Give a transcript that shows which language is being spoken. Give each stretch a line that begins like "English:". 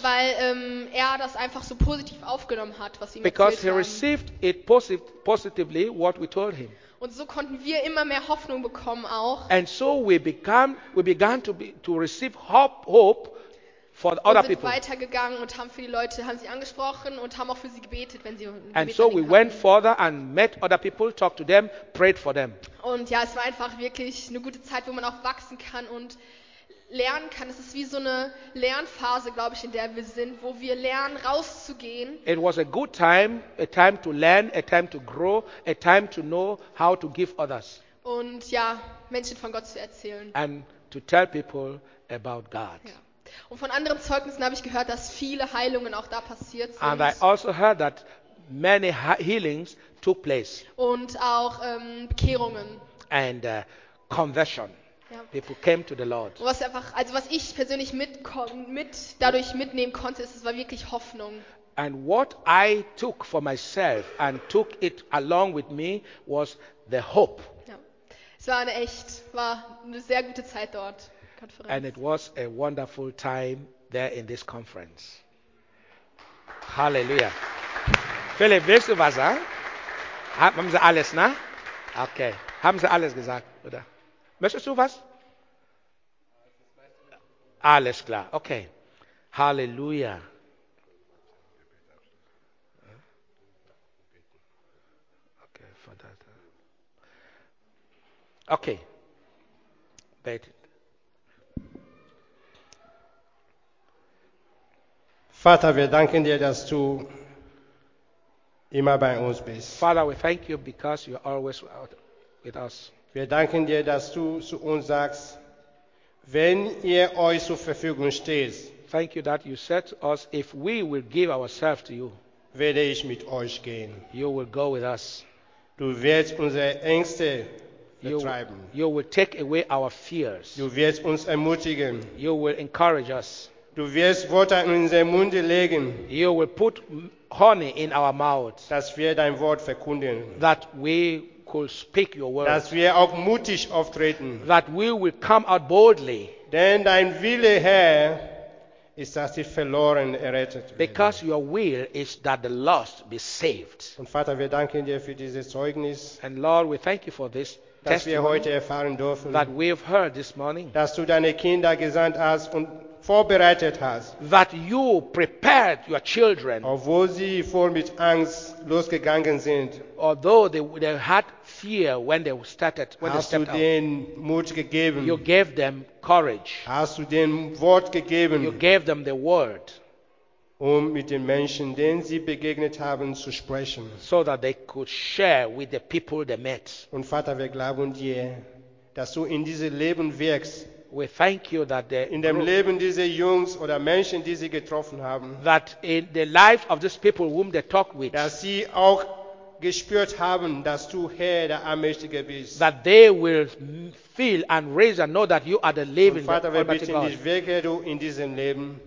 German: Weil er das einfach so positiv aufgenommen hat, was ihm erzählt haben.
English: Because he received it positively what we told him.
German: Und so konnten wir immer mehr Hoffnung bekommen auch.
English: And so we began to receive hope. For the other
German: und sind
English: people.
German: Weitergegangen und haben für die Leute, haben sie angesprochen und haben auch für sie gebetet, wenn sie
English: and Gebet so we hatten. Went further and met other people, talked to them, prayed for them.
German: Und ja, es war einfach wirklich eine gute Zeit, wo man auch wachsen kann und lernen kann. Es ist wie so eine Lernphase, glaube ich, in der wir sind, wo wir lernen, rauszugehen.
English: It was a good time, a time to learn, a time to grow, a time to know how to give others.
German: Und ja, Menschen von Gott zu erzählen.
English: And to tell people about God.
German: Ja. Und von anderen Zeugnissen habe ich gehört, dass viele Heilungen auch da passiert sind.
English: And I also heard that many healings took place.
German: Und auch Bekehrungen.
English: And conversion. Ja. People came to the Lord.
German: Was einfach, also was ich persönlich dadurch mitnehmen konnte, ist, es war wirklich Hoffnung.
English: And what I took for myself and took it along with me was the hope.
German: Ja. Es war eine sehr gute Zeit dort.
English: Conference. And it was a wonderful time there in this conference.
German: Hallelujah. Philipp, willst du was sagen? Haben sie alles, ne? Okay. Haben sie alles gesagt, oder? Möchtest du was? Alles klar. Okay. Hallelujah. Okay. Bete. Vater, wir danken dir, dass du immer bei uns bist.
English: Father, we thank you because you are always with us.
German: Wir danken dir, dass du zu uns sagst, wenn ihr euch zur Verfügung steht.
English: Thank you that you said to us, if we will give ourselves to you,
German: werde ich mit euch gehen.
English: You will go with us.
German: Du wirst unsere Ängste vertreiben.
English: You will take away our fears.
German: Du wirst uns ermutigen.
English: You will encourage us.
German: Du wirst Worte in unseren Mund legen.
English: You will put honey in our mouth.
German: Dass wir dein Wort verkünden.
English: That we could speak your word.
German: Dass wir auch mutig auftreten.
English: That we will come out boldly.
German: Denn dein Wille, Herr, ist, dass die Verlorenen errettet werden.
English: Because your will is that the lost be saved.
German: Und Vater, wir danken dir für dieses Zeugnis.
English: And Lord, we thank you for this.
German: Dass wir heute erfahren dürfen.
English: That we have heard this morning.
German: Dass du deine Kinder gesandt hast und vorbereitet hast,
English: that you prepared your children,
German: obwohl sie voll mit Angst losgegangen sind,
English: although they had fear when they started, when
German: hast
English: they stepped
German: du denen
English: out,
German: Mut gegeben,
English: you gave them courage,
German: hast du denen Wort gegeben,
English: you gave them the word,
German: um mit den Menschen, denen sie begegnet haben, zu sprechen,
English: so that they could share with the people they met.
German: Und Vater, wir glauben dir, dass du in diesem Leben wirkst.
English: We thank you that the
German: in dem Leben dieser Jungs oder Menschen, die sie getroffen haben,
English: that in the life of these people whom they talk with,
German: dass sie auch gespürt haben, dass du Herr der Allmächtige bist,
English: that they will feel and raise and know that you are the living God.
German: Vater, wir bitten dich, wirke du in diesem Leben.